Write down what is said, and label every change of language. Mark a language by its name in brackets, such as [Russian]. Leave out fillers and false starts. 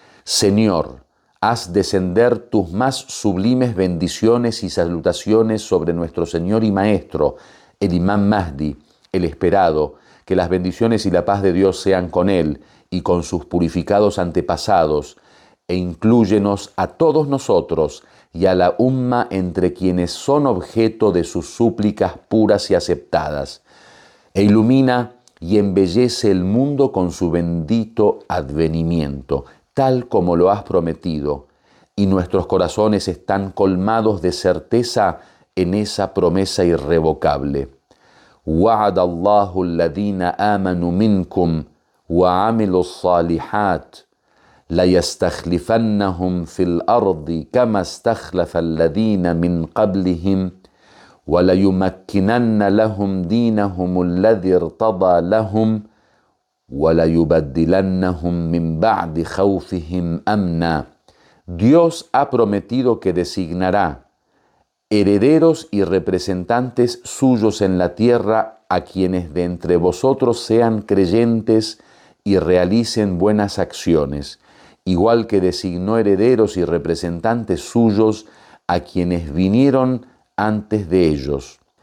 [Spanish] Señor, haz descender tus más sublimes bendiciones y salutaciones sobre nuestro Señor y Maestro, el Imam Mahdi, el Esperado, que las bendiciones y la paz de Dios sean con él y con sus purificados antepasados, e inclúyenos a todos nosotros y a la Umma entre quienes son objeto de sus súplicas puras y aceptadas, e ilumina y embellece el mundo con su bendito advenimiento, tal como lo has prometido, y nuestros corazones están colmados de certeza en esa promesa irrevocable. [Arabic] وعد الله الذين آمنوا منكم وعملوا الصالحات ليستخلفنهم في الأرض كما استخلف الذين من قبلهم وليمكنن لهم دينهم الذي ارتضى لهم وليبدلنهم من بعد خوفهم أمنا. [Spanish] Dios ha prometido que designará herederos y representantes suyos en la tierra a quienes de entre vosotros sean creyentes y realicen buenas acciones, igual que designó herederos y representantes suyos a quienes vinieron antes de ellos,